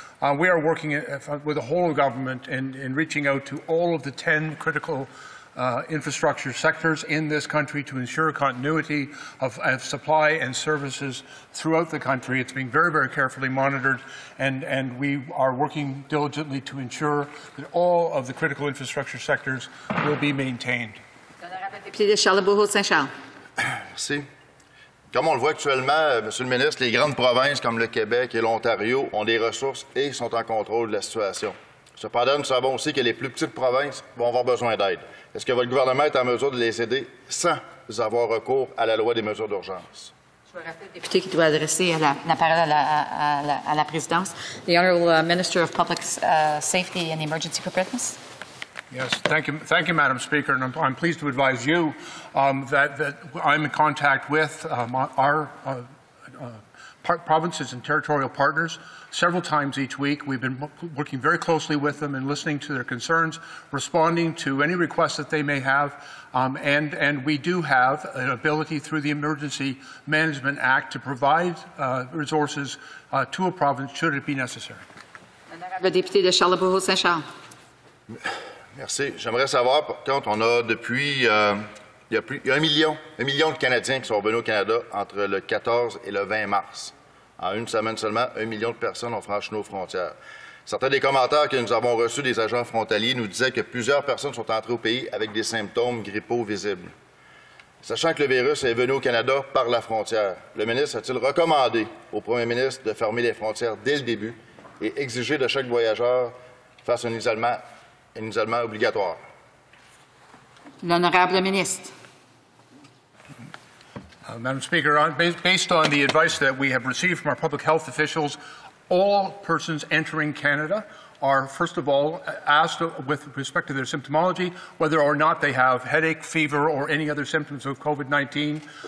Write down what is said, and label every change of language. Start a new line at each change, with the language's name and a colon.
English: We are working with the whole government in reaching out to all of the 10 critical infrastructure sectors in this country to ensure continuity of supply and services throughout the country. It's being very, very carefully monitored, and we are working diligently to ensure that all of the critical infrastructure sectors will be maintained.
French: Merci. Comme on le voit actuellement, Monsieur le ministre, les grandes provinces comme le Québec et l'Ontario ont des ressources et sont en contrôle de la situation. Cependant, nous savons aussi que les plus petites provinces vont avoir besoin d'aide. Est-ce que votre gouvernement est en mesure de les aider sans avoir recours à la loi des mesures d'urgence? Je vous rappelle, député, qui doit adresser la parole à la présidence.
English: The Honourable Minister of Public Safety and Emergency Preparedness. Yes, thank you, Madam Speaker, and I'm pleased to advise you that I'm in contact with our provinces and territorial partners several times each week. We've been working very closely with them and listening to their concerns, responding to any requests that they may have, and we do have an ability through the Emergency Management Act to provide resources to a province should it be necessary.
French: Honorable député de Charlebourg-Saint-Charles. Merci. J'aimerais savoir, par contre, on a depuis, il y a un million de Canadiens qui sont revenus au Canada entre le 14 et le 20 mars. En une semaine seulement, 1 million de personnes ont franchi nos frontières. Certains des commentaires que nous avons reçus des agents frontaliers nous disaient que plusieurs personnes sont entrées au pays avec des symptômes grippaux visibles. Sachant que le virus est venu au Canada par la frontière, le ministre a-t-il recommandé au premier ministre de fermer les frontières dès le début et exiger de chaque voyageur face à un isolement obligatoire. L'honorable ministre.
English: Madam Speaker, based on the advice that we have received from our public health officials, all persons entering Canada are, first of all, asked with respect to their symptomology, whether or not they have headache, fever, or any other symptoms of COVID-19.